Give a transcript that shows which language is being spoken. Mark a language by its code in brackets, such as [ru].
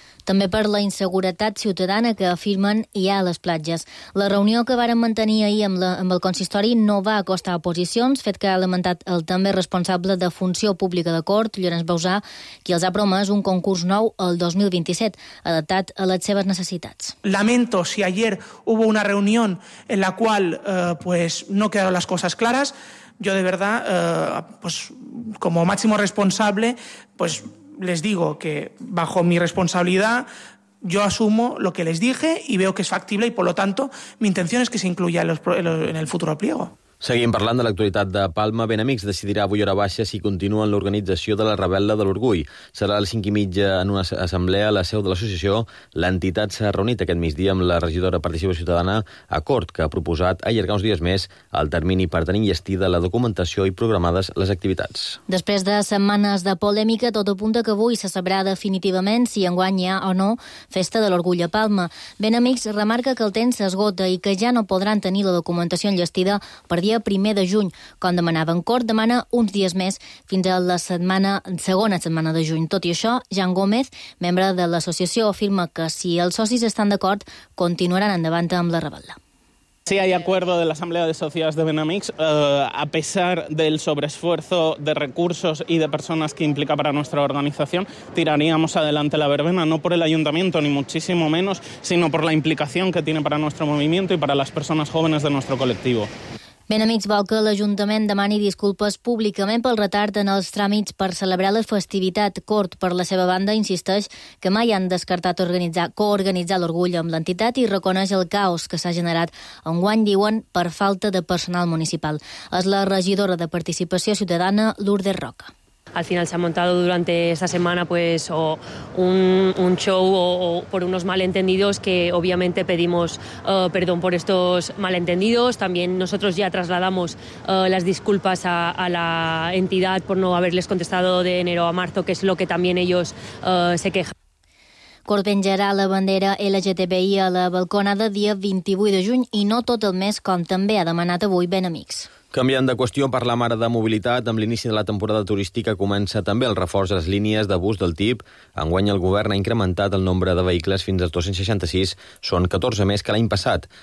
[ca] També per la inseguretat ciutadana que afirmen hi ha a les platges. La reunió que varen mantenir ahir amb el consistori no va acostar a posicions, fet que ha lamentat el també responsable de funció pública de Cort, Llorenç Bausà, qui els ha promès un concurs nou el 2027, adaptat a les seves necessitats. [es] Lamento si ayer hubo una reunión en la cual pues no quedaron las cosas claras. Yo de verdad, pues como máximo responsable, pues les digo que bajo mi responsabilidad yo asumo lo que les dije y veo que es factible y por lo tanto mi intención es que se incluya en el futuro pliego. [ca] Seguim parlant de l'actualitat de Palma. Benamics decidirà avui hora baixa si continua en l'organització de la Rebel·la de l'Orgull. Serà a les 5:30 en una assemblea a la seu de l'associació. L'entitat s'ha reunit aquest migdia amb la regidora Participació Ciutadana a Cort, que ha proposat allargar uns dies més el termini per tenir enllestida la documentació i programades les activitats. Després de setmanes de polèmica, tot apunta que avui se sabrà definitivament si enguany hi ha o no Festa de l'Orgull a Palma. Benamics remarca que el temps s'esgota i que ja no podran tenir la documentació enllestida per dia 1 de juny. Com demanava en Cort, demana uns dies més fins a la setmana, segona setmana de juny. Tot i això, Jan Gómez, membre de l'associació, afirma que si els socis estan d'acord, continuaran endavant amb la rebel·la. [es] Sí, hay acuerdo de la Asamblea de Sociedades de Benamics. A pesar del sobreesfuerzo de recursos y de personas que implica para nuestra organización, tiraríamos adelante la verbena, no por el ayuntamiento, ni muchísimo menos, sino por la implicación que tiene para nuestro movimiento y para las personas jóvenes de nuestro colectivo. [ca] Benamics vol que l'Ajuntament demani disculpes públicament pel retard en els tràmits per celebrar la festivitat. Cort, per la seva banda, insisteix que mai han descartat organitzar, coorganitzar l'Orgull amb l'entitat i reconeix el caos que s'ha generat enguany, diuen, per falta de personal municipal. És la regidora de Participació Ciutadana, Lourdes Roca. [es] Al final se ha montado durante esta semana pues un show o por unos malentendidos que obviamente pedimos perdón por estos malentendidos. También nosotros ya trasladamos las disculpas a la entidad por no haberles contestado de enero a marzo, que es lo que también ellos se quejan. [ca] Cort penjarà la bandera LGTBI a la balconada dia 28 de juny i no tot el mes, com també ha demanat avui Benamics. Canviant de qüestió, per la mare de mobilitat, amb l'inici de la temporada turística comença també el reforç de les línies de bus del TIP. Enguany el govern ha incrementat el nombre de vehicles fins als 266, són 14 més que l'any passat.